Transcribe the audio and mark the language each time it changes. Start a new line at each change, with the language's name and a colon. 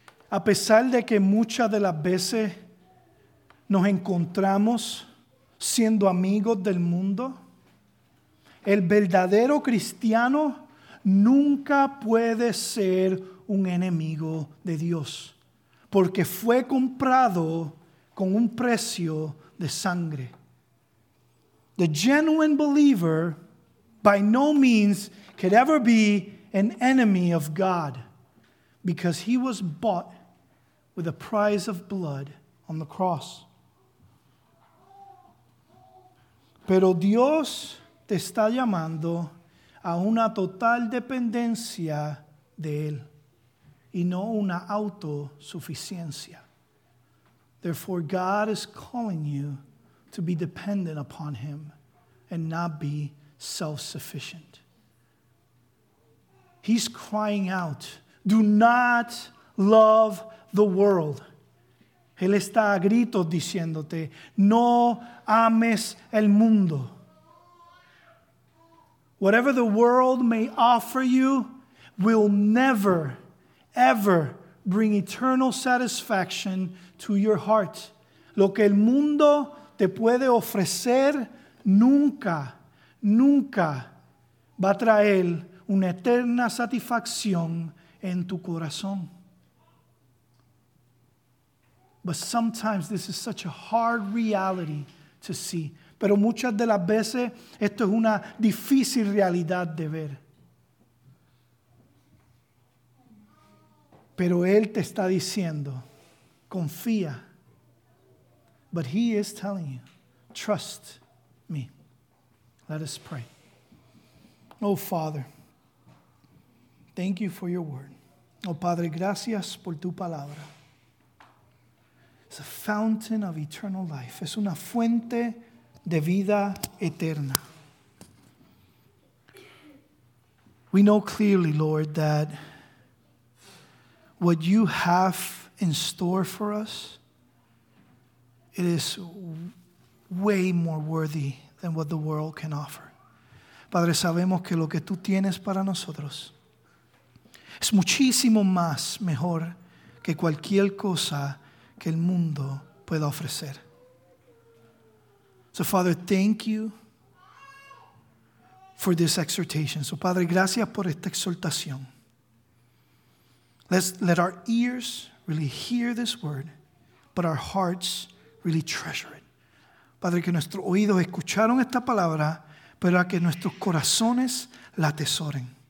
Spanish: A pesar de que muchas de las veces nos encontramos siendo amigos del mundo, el verdadero cristiano nunca puede ser un enemigo de Dios, porque fue comprado con un precio de sangre.
English: The genuine believer by no means could ever be an enemy of God, because he was bought with a price of blood on the cross.
Spanish: Pero Dios te está llamando a una total dependencia de Él y no una autosuficiencia.
English: Therefore, God is calling you to be dependent upon Him and not be self-sufficient. He's crying out, do not love the world.
Spanish: Él está a gritos diciéndote, no ames el mundo.
English: Whatever the world may offer you will never, ever bring eternal satisfaction to your heart.
Spanish: Lo que el mundo te puede ofrecer nunca, nunca va a traer una eterna satisfacción en tu corazón.
English: But sometimes this is such a hard reality to see.
Spanish: Pero muchas de las veces esto es una difícil realidad de ver. Pero Él te está diciendo, confía.
English: But He is telling you, trust me. Let us pray. Oh, Father, thank you for your word.
Spanish: Oh, Padre, gracias por tu palabra.
English: It's a fountain of eternal life.
Spanish: Es una fuente de vida eterna.
English: We know clearly, Lord, that what you have in store for us, it is way more worthy than what the world can offer.
Spanish: Padre, sabemos que lo que tú tienes para nosotros es muchísimo más mejor que cualquier cosa que el mundo pueda ofrecer.
English: So, Father, thank you for this exhortation.
Spanish: So, Padre, gracias por esta exhortación.
English: Let's let our ears really hear this word, but our hearts really treasure it.
Spanish: Padre, que nuestros oídos escucharon esta palabra, pero a que nuestros corazones la atesoren.